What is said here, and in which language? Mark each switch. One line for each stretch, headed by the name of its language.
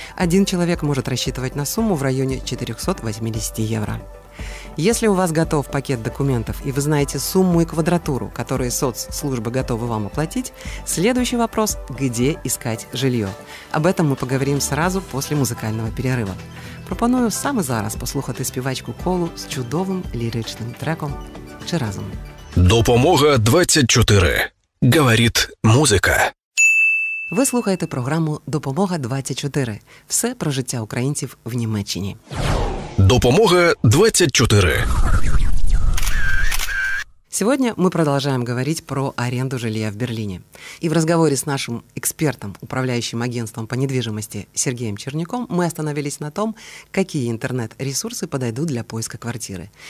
Russian: Один человек может рассчитывать на сумму в районе 480 евро. Если у вас готов пакет документов и вы знаете сумму и квадратуру, которые соцслужбы готовы вам оплатить, следующий вопрос – где искать жилье? Об этом мы поговорим сразу после музыкального перерыва.
Ukrainian: Пропоную сам и зараз послухати співачку Колу с чудовим ліричним треком «Чи разом».
Russian: Допомога 24. Говорит музыка.
Ukrainian: Ви слухаєте програму «Допомога 24». Все про життя українців в Німеччині. Допомога 24.
Russian: Сегодня мы продолжаем говорить про аренду жилья в Берлине. И в разговоре с нашим экспертом, управляющим агентством по недвижимости Сергеем Черняком, мы остановились на том, какие интернет-ресурсы подойдут для поиска квартиры.